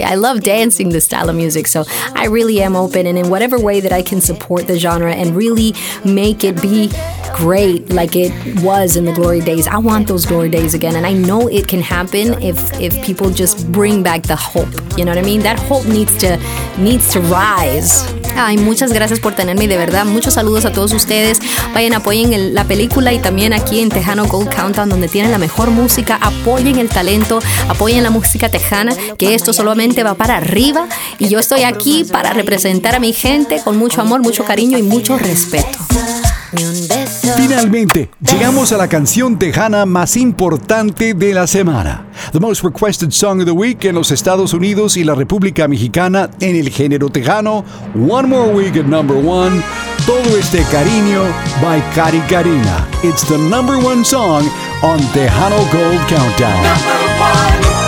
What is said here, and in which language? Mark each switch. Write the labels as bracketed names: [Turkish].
[English] I love dancing this style of music, so I really am open, and in whatever way that I can support the genre and really make it be great like it was in the glory days, I want those glory days again. And I know it can happen if people just bring back the hope, you know what I mean? That hope needs to rise. [Spanish] Ay, muchas gracias por tenerme, de verdad. Muchos saludos a todos ustedes. Vayan, apoyen la película y también aquí en Tejano Gold Countdown, donde tienen la mejor música. Apoyen el talento, apoyen la música tejana, que esto solamente va para arriba. Y yo estoy aquí para representar a mi gente con mucho amor, mucho cariño y mucho respeto. Finalmente, llegamos a la canción tejana más importante de la semana. [English] The most requested song of the week [Spanish] en los Estados Unidos y la República Mexicana en el género tejano. [English] One more week at number one. Todo este cariño by Cari Carina. It's the number one song on Tejano Gold Countdown.